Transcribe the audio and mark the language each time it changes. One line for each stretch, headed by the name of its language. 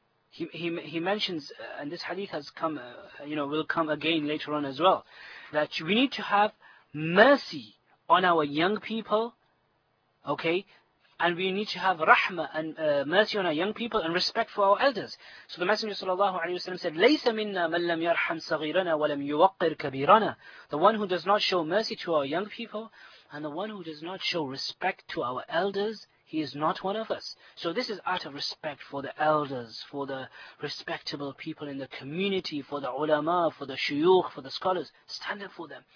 English: He mentions, and this hadith has come, you know, will come again later on as well, that we need to have mercy on our young people, okay? And we need to have rahmah and mercy on our young people and respect for our elders. So the Messenger sallallahu alayhi wa sallam said,
Arabic: لَيْسَ مِنَّا مَنْ لَمْ يَرْحَمْ صَغِيرَنَا وَلَمْ يُوَقِّرْ كَبِيرَنَا.
English: The one who does not show mercy to our young people, and the one who does not show respect to our elders, he is not one of us. So this is out of respect for the elders, for the respectable people in the community, for the ulama, for the shuyukh, for the scholars. Stand up for them.